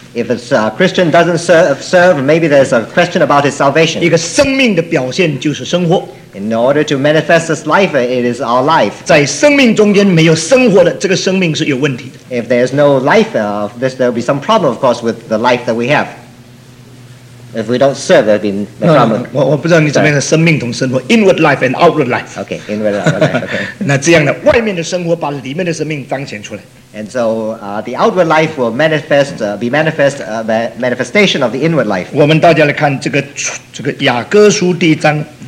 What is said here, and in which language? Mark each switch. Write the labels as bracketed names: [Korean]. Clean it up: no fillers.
[English] If it's a Christian doesn't serve, maybe there's a question about his salvation. [Chinese] 一个生命的表现就是生活。 [English] In order to manifest this life, it is our life. [Chinese] 在生命中间没有生活的，这个生命是有问题的。 [English] If there's no life, there will be some problem, of course, with the life that we have. If we don't serve, there'll be no problem. No, [Chinese] 我不知道你怎么样的生命同生活, [English] inward life and outward life. Okay, inward life, okay. [Chinese] 那这样的,外面的生活把里面的生命彰显出来。 [English] And so the outward life will manifest, manifestation of the inward life. [Chinese] 我们大家来看这个雅歌书第一章。